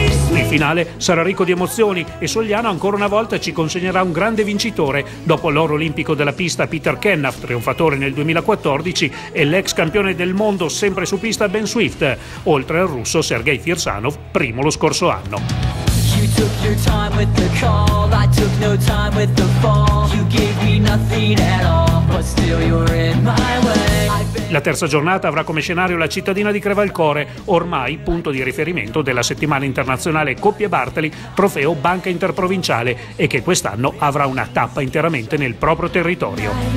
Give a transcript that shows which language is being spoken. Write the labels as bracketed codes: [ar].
[it] Il finale sarà ricco di emozioni e Sogliano ancora una volta ci consegnerà un grande vincitore dopo l'oro olimpico della pista Peter Kenhoff, trionfatore nel 2014 e l'ex campione del mondo sempre su pista Ben Swift, oltre al russo Sergei Firsanov, primo lo scorso anno. [en] took your time with the call. I took no time with the fall. You gave me nothing at all, but still you're in my way. [it] La terza giornata avrà come scenario la cittadina di Crevalcore, ormai punto di riferimento della settimana internazionale Coppie Bartali, trofeo Banca Interprovinciale, e che quest'anno avrà una tappa interamente nel proprio territorio.